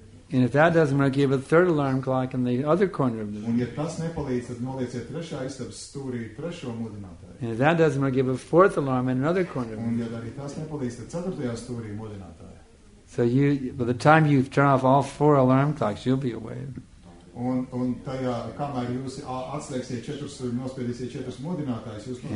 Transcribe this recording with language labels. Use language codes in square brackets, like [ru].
[en] And if that doesn't work, you have a third alarm clock in the other corner of the room. [lv] Un ja tas nepalīdz, tad noliecie trešā istabas stūrī trešo modinātāju. [en] And if that doesn't work, you have a fourth alarm in another corner of the room. [lv] Un ja arī tas nepalīdz, tad ceturtajā stūrī modinātāju. [en] So you, by the time you turn off all four alarm clocks, you'll be awake. [lv] Un tajā, kamēr jūs atslēgsiet četrus, nospiedīsiet četrus modinātājus, jūs noliecie...